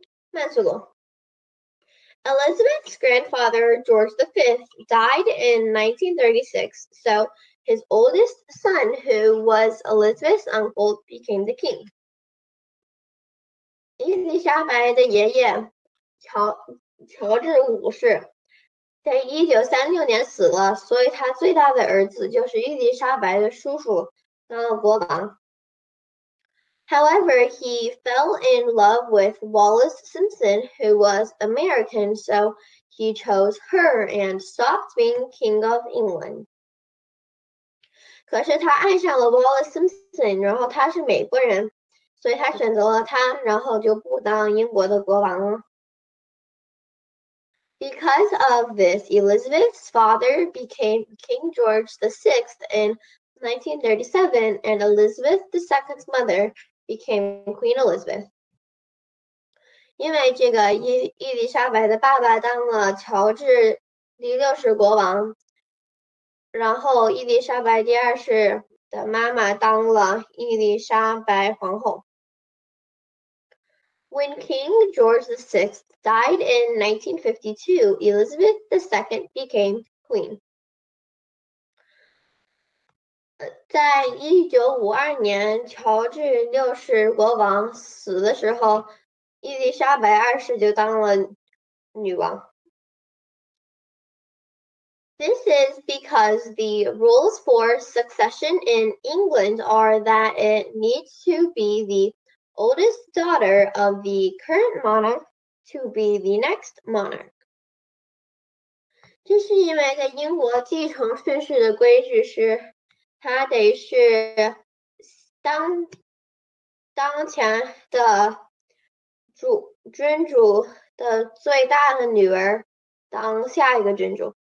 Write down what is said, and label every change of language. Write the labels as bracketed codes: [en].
[zh] 慢速度。 [en] Elizabeth's grandfather, George V, died in 1936, so his oldest son, who was Elizabeth's uncle, became the king. [zh] 伊丽莎白的爷爷乔治五世在1936年死了，所以他最大的儿子就是伊丽莎白的叔叔当了国王。 [en] However, he fell in love with Wallace Simpson, who was American, so he chose her and stopped being King of England. [zh] 可是他爱上了 Wallace Simpson, 然后他是美国人，所以他选择了他，然后就不当英国的国王了。 [en] Because of this, Elizabeth's father became King George VI in 1937, and Elizabeth II's mother. Became Queen Elizabeth. [zh] 因为这个伊丽莎白的爸爸当了乔治第六世国王，然后伊丽莎白第二世的妈妈当了伊丽莎白皇后。 [en] When King George VI died in 1952, Elizabeth II became queen. [zh] 在1952年乔治六世国王死的时候，伊丽莎白二世就当了女王。 [en] This is because the rules for succession in England are that it needs to be the oldest daughter of the current monarch to be the next monarch. [zh] 这是因为在英国继承顺序的规矩是，她得是当前的君主的最大的女儿，当下一个君主。